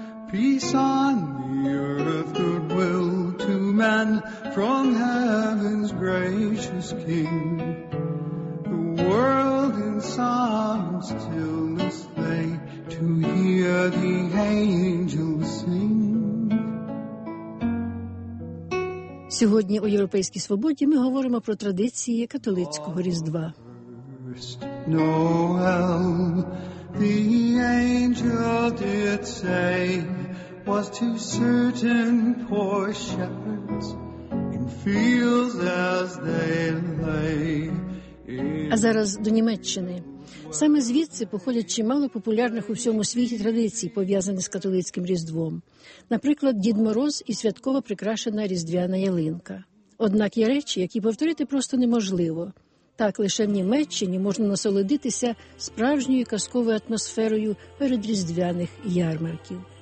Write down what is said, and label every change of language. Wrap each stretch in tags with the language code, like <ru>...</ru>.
<en>Peace on the earth, goodwill to men from heaven's gracious King. The world in some stillness lay to hear the angels sing.</en> <uk>Сьогодні у Європейській Свободі ми говоримо про традиції католицького Різдва.</uk> <en>Noel, the angel did say, was to certain poor shepherds in fields as they lay.</en> <uk>А зараз до Німеччини. Саме звідси походять чимало популярних у всьому світі традицій, пов'язаних з католицьким Різдвом. Наприклад, Дід Мороз і святково прикрашена різдвяна ялинка. Однак є речі, які повторити просто неможливо. Так, лише в Німеччині можна насолодитися справжньою казковою атмосферою перед різдвяних ярмарків.</uk>